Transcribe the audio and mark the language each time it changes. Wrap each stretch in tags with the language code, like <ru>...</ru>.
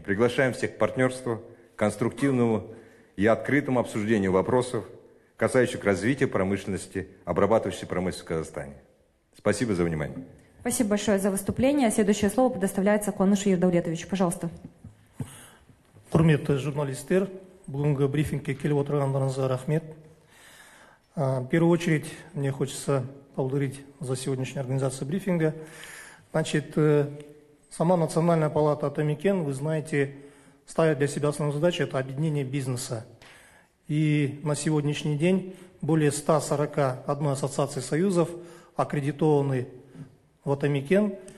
<ru>Приглашаем всех к партнерству, конструктивному и открытому обсуждению вопросов, касающихся развития промышленности, обрабатывающей промышленности в Казахстане. Спасибо за внимание. Спасибо большое за выступление. Следующее слово предоставляется Куанышу Ердаулетовичу. Пожалуйста.</ru> <kk>Құрметті журналистер. Бүгінгі брифингке келіп отырғандарыңызға рахмет.</kk> <ru>В первую очередь мне хочется поблагодарить за сегодняшнюю организацию брифинга. Значит, сама Национальная палата «Атамекен», вы знаете, ставит для себя основную задачу – это объединение бизнеса. И на сегодняшний день более 141 ассоциаций союзов аккредитованы в «Атамекен».</ru>